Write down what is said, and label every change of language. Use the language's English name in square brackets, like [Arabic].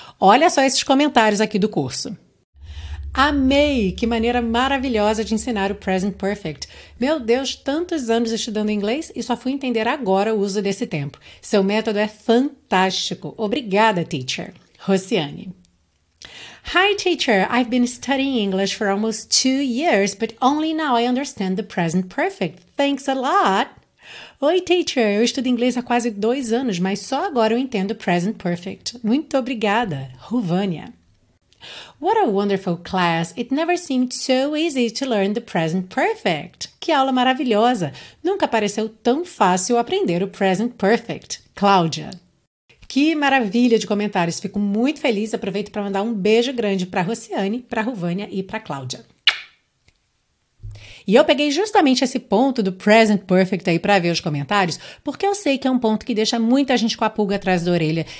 [Portuguese] Olha só esses comentários aqui do curso. Amei! Que maneira maravilhosa de ensinar o present perfect. Meu Deus, tantos anos estudando inglês e só fui entender agora o uso desse tempo. Seu método é fantástico. Obrigada, teacher. Rosiane. [English] Hi, teacher. I've been studying English for almost 2 years, but only now I understand the present perfect. Thanks a lot. Oi, teacher. [Portuguese] Eu estudo inglês há quase 2 anos, mas só agora eu entendo o present perfect. Muito obrigada, Ruvânia. [English] What a wonderful class. It never seemed so easy to learn the present perfect. [Portuguese] Que aula maravilhosa. Nunca pareceu tão fácil aprender o present perfect. Cláudia. Que maravilha de comentários. Fico muito feliz. Aproveito para mandar um beijo grande para a Rosiane, para a Ruvânia e para a Cláudia. E eu peguei justamente esse ponto do present perfect aí para ver os comentários, porque eu sei que é um ponto que deixa muita gente com a pulga atrás da orelha.